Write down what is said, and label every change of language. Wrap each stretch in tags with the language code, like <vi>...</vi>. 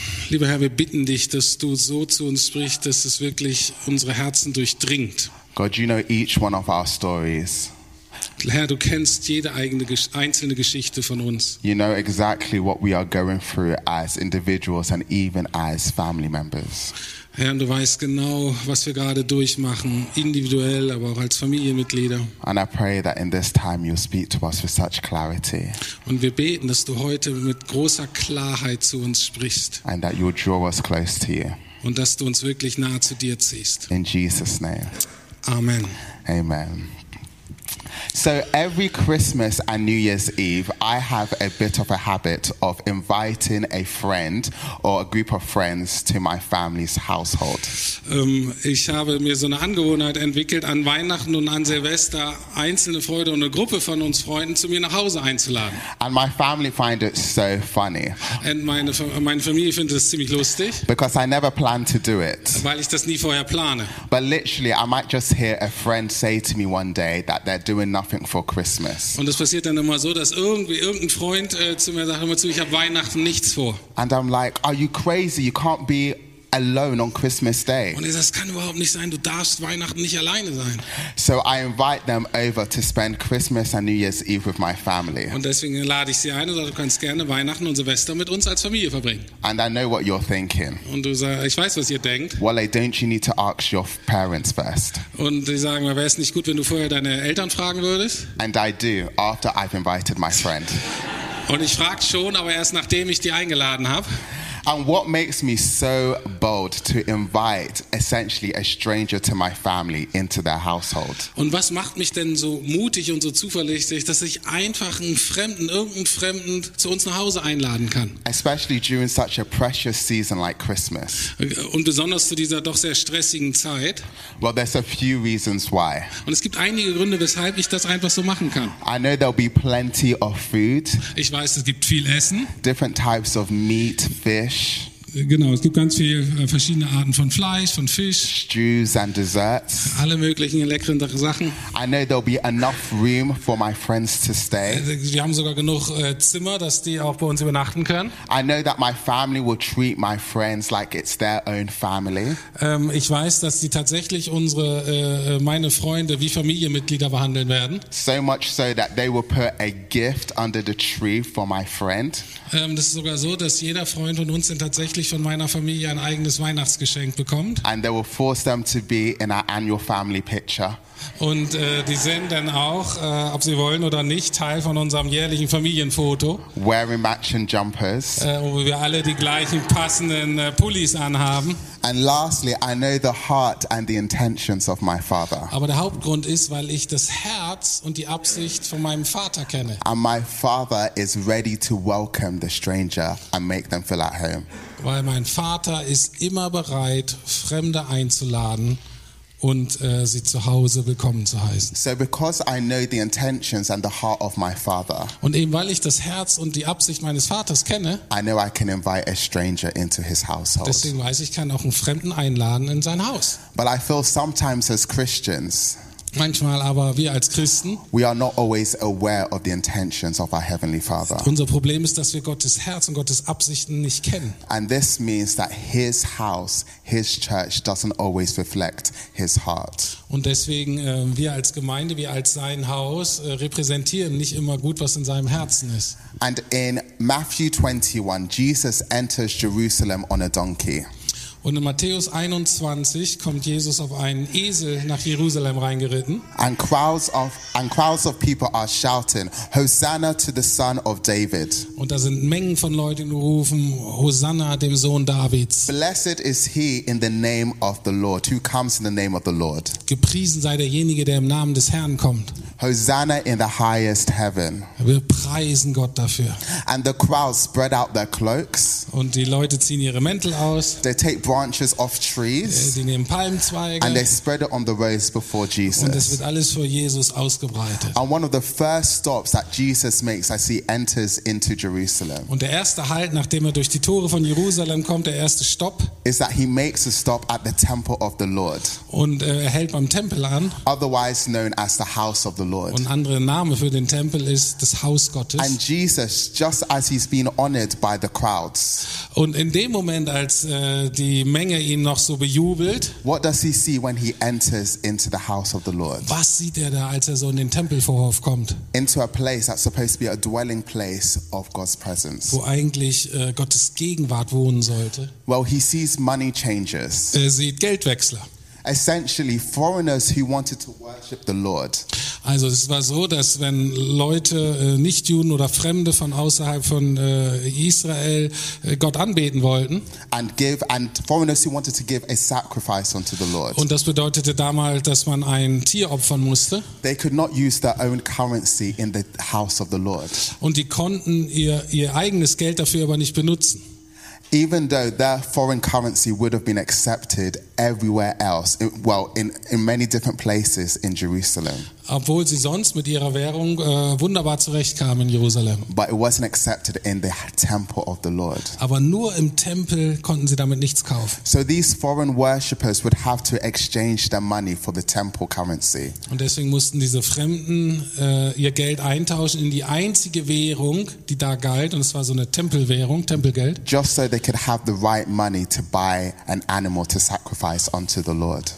<de>Lieber Herr, wir bitten dich, dass du so zu uns sprichst, dass es wirklich unsere Herzen durchdringt.</de> <en>God, you know each one of our stories.</en> <de>Herr, du kennst jede eigene einzelne Geschichte von uns.</de> <en>You know exactly what we are going through as individuals and even as family members.</en> <de>Herr, du weißt genau, was wir gerade durchmachen, individuell, aber auch als Familienmitglieder.</de> <en>And I pray that in this time you speak to us with such clarity.</en> <de>Und wir beten, dass du heute mit großer Klarheit zu uns sprichst.</de> <en>And that you draw us close to you.</en> <de>Und dass du uns wirklich nahe zu dir ziehst.</de> <en>In Jesus name. Amen. Amen. So every Christmas and New Year's Eve, I have a bit of a habit of inviting a friend or a group of friends to my family's household.</en> <de>Ich habe mir so eine Angewohnheit entwickelt, an Weihnachten und an Silvester einzelne Freunde und eine Gruppe von uns Freunden zu mir nach Hause einzuladen.</de> <en>And my family find it so funny.</en> <de>Und meine Familie findet es ziemlich lustig.</de> <en>Because I never plan to do it.</en> <de>Weil ich das nie vorher plane.</de> <en>But literally, I might just hear a friend say to me one day that they're doing nothing for Christmas.</en> <de>Und es passiert dann immer so, dass irgendein Freund zu mir sagt immer zu, ich habe Weihnachten nichts vor.</de> <en>And I'm like, are you crazy? You can't be alone on Christmas Day.</en> <de>Und das kann überhaupt nicht sein. Du darfst Weihnachten nicht alleine sein.</de> <en>So I invite them over to spend Christmas and New Year's Eve with my family.</en> <de>Und deswegen lade ich sie ein und sage, du kannst gerne Weihnachten und Silvester mit uns als Familie verbringen.</de> <en>And I know what you're thinking.</en> <de>Und du sagst, ich weiß, was ihr denkt.</de> <en>Well, don't you need to ask your parents first?</en> <de>Und die sagen, wäre es nicht gut, wenn du vorher deine Eltern fragen würdest?</de> <en>And I do, after I've invited my friend.</en> <de>Und ich frage schon, aber erst nachdem ich die eingeladen habe.</de> <en>And what makes me so bold to invite essentially a stranger to my family into their household?</en> <de>Und was macht mich denn so mutig und so zuversichtlich, dass ich einfach irgendeinen Fremden zu uns nach Hause einladen kann?</de> <en>Especially during such a precious season like Christmas.</en> <de>Und besonders zu dieser doch sehr stressigen Zeit.</de> <en>Well, there's a few reasons why.</en> <de>Und es gibt einige Gründe, weshalb ich das einfach so machen kann.</de> <en>I know there'll be plenty of food.</en> <de>Ich weiß, es gibt viel Essen.</de> <en>Different types of meat, fish.</en> <de>Genau, es gibt ganz viele verschiedene Arten von Fleisch, von Fisch.</de> <en>Stews and desserts.</en> <de>Alle möglichen leckeren Sachen.</de> <en>I know there'll be enough room for my friends to stay.</en> <de>Wir haben sogar genug Zimmer, dass die auch bei uns übernachten können.</de> <en>I know that my family will treat my friends like it's their own family.</en> <de>Ich weiß, dass sie tatsächlich meine Freunde wie Familienmitglieder behandeln werden.</de> <en>So much so that they will put a gift under the tree for my friend.</en> <de>Das ist sogar so, dass jeder Freund von uns tatsächlich von meiner Familie ein eigenes Weihnachtsgeschenk bekommt.</de> <en>And they will force them to be in our annual family picture.</en> <de>Und die sind dann auch, ob sie wollen oder nicht, Teil von unserem jährlichen Familienfoto.</de> <en>Wearing matching jumpers.</en> <de>Wo wir alle die gleichen passenden Pullis anhaben.</de> <en>And lastly, I know the heart and the intentions of my father.</en> <de>Aber der Hauptgrund ist, weil ich das Herz und die Absicht von meinem Vater kenne.</de> <en>And my father is ready to welcome the stranger and make them feel at home.</en> <de>Weil mein Vater ist immer bereit, Fremde einzuladen und sie zu Hause willkommen zu heißen.</de> <en>So because I know the intentions and the heart of my father.</en> <de>Und eben weil ich das Herz und die Absicht meines Vaters kenne.</de> <en>I know I can invite a stranger into his household.</en> <de>Deswegen weiß ich, kann auch einen Fremden einladen in sein Haus.</de> <en>But I feel sometimes as Christians.</en> <de>Manchmal aber wir als Christen.</de> <en>We are not always aware of the intentions of our heavenly father.</en> <de>Unser Problem ist, dass wir Gottes Herz und Gottes Absichten nicht kennen.</de> <en>And this means that his house, his church doesn't always reflect his heart.</en> <de>Und deswegen wir als Gemeinde, wir als sein Haus repräsentieren nicht immer gut, was in seinem Herzen ist.</de> <en>And in Matthew 21 Jesus enters Jerusalem on a donkey.</en> <de>Und in Matthäus 21 kommt Jesus auf einen Esel nach Jerusalem reingeritten.</de> <en>And crowds of people are shouting, Hosanna to the Son of David.</en> <de>Und da sind Mengen von Leuten, die rufen, Hosanna dem Sohn Davids.</de> <en>Blessed is he in the name of the Lord, who comes in the name of the Lord.</en> <de>Gepriesen sei derjenige, der im Namen des Herrn kommt.</de> <en>Hosanna in the highest heaven.</en> <de>Wir preisen Gott dafür.</de> <en>And the crowd spread out their cloaks.</en> <de>Und die Leute ziehen ihre Mäntel aus.</de> <en>They take branches off trees.</en> <de>Sie nehmen Palmzweige.</de> <en>And they spread it on the roads before Jesus.</en> <de>Und es wird alles vor Jesus ausgebreitet.</de> <en>And one of the first stops that Jesus makes as he enters into Jerusalem.</en> <de>Und der erste Halt, nachdem er durch die Tore von Jerusalem kommt, der erste Stopp.</de> <en>Is that he makes a stop at the temple of the Lord.</en> <de>Und er hält beim Tempel an.</de> <en>Otherwise known as the house of the Lord.</en> <de>Und andere Name für den Tempel ist das Haus Gottes.</de> <en>And Jesus, just as he's been honored by the crowds.</en> <de>Und in dem Moment, als die Menge ihn noch so bejubelt,</de> <en>what does he see when he enters into the house of the Lord?</en> <de>Was sieht er da, als er so in den Tempelvorhof kommt?</de> <en>Into a place that's supposed to be a dwelling place of God's presence.</en> <de>Wo eigentlich Gottes Gegenwart wohnen sollte.</de> <en>Well, he sees money changers.</en> <de>Er sieht Geldwechsler.</de> <en>Essentially, foreigners who wanted to worship the Lord.</en> <de>Also, es war so, dass wenn Leute, Nichtjuden oder Fremde von außerhalb von Israel Gott anbeten wollten.</de> <en>And foreigners who wanted to give a sacrifice unto the Lord.</en> <de>Und das bedeutete damals, dass man ein Tier opfern musste.</de> <en>They could not use their own currency in the house of the Lord.</en> <de>Und die konnten ihr eigenes Geld dafür aber nicht benutzen.</de> <en>Even though their foreign currency would have been accepted everywhere else, in many different places in Jerusalem.</en> <de>Obwohl sie sonst mit ihrer Währung wunderbar zurechtkamen in Jerusalem.</de> <en>But it wasn't accepted in the temple of the Lord.</en> <de>Aber nur im Tempel konnten sie damit nichts kaufen.</de> <en>So these foreign worshippers would have to exchange their money for the temple currency.</en> <de>Und deswegen mussten diese Fremden ihr Geld eintauschen in die einzige Währung, die da galt, und es war so eine Tempelwährung, Tempelgeld.</de> <en>Just so they could have the right money to buy an animal to sacrifice unto the Lord.</en>